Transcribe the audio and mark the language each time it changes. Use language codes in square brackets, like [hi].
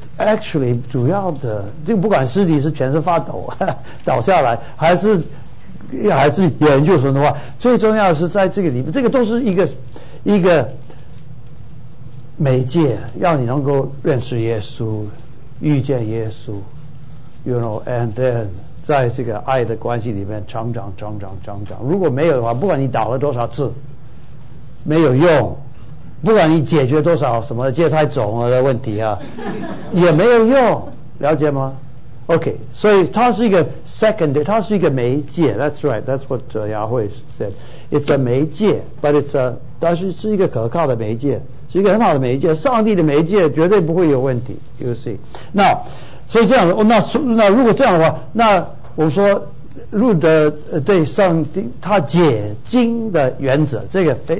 [en] Actually， [zh] 主要的这个不管尸体是全身发抖倒下来，还是研究什么的话，最重要的是在这个里面，这个都是一个媒介，让你能够认识耶稣，遇见耶稣 ， [en] you know，and then [zh] 在这个爱的关系里面成长。如果没有的话，不管你倒了多少次，没有用。不管你解决多少什么芥菜种的问题啊，也没有用，了解吗 ？OK， 所以它是一个 secondary， 它是一个媒介。 [en] That's right， that's what Yahweh said。 It's a [zh] 媒介 ， [en] but it's a [zh] 但是是一个可靠的媒介，是一个很好的媒介。上帝的媒介绝对不会有问题。 [en] You see， [zh] 那所以这样，那如果这样的话，那我说路德对上帝他解经的原则，这个。